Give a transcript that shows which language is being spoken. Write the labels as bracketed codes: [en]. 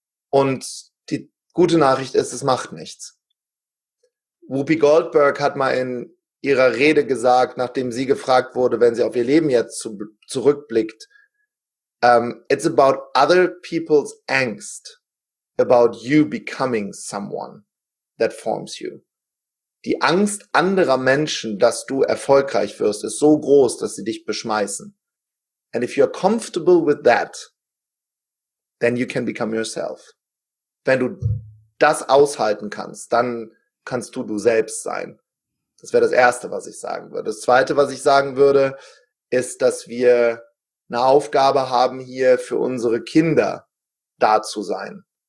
[de] Und die gute Nachricht ist, es macht nichts. Whoopi Goldberg hat mal in ihrer Rede gesagt, nachdem sie gefragt wurde, wenn sie auf ihr Leben jetzt zurückblickt, [en] it's about other people's angst about you becoming someone that forms you. [de] Die Angst anderer Menschen, dass du erfolgreich wirst, ist so groß, dass sie dich beschmeißen. [en] And if you're comfortable with that, then you can become yourself. [de] Wenn du das aushalten kannst, dann kannst du selbst sein. Das wäre das Erste, was ich sagen würde. Das Zweite, was ich sagen würde, ist, dass wir eine Aufgabe haben, hier für unsere Kinder da zu sein.